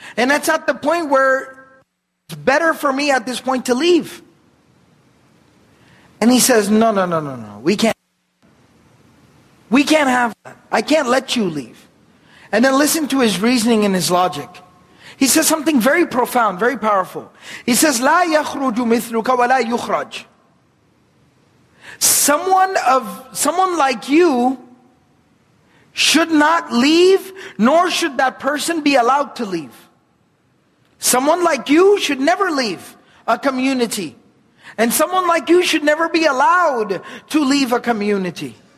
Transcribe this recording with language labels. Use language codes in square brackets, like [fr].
[en] And that's at the point where it's better for me at this point to leave. And he says, no. We can't. We can't have that. I can't let you leave. And then listen to his reasoning and his logic. He says something very profound, very powerful. [ar] He says, لا يخرج مثلك ولا يخرج. [en] Someone like you should not leave, nor should that person be allowed to leave. Someone like you should never leave a community. And someone like you should never be allowed to leave a community.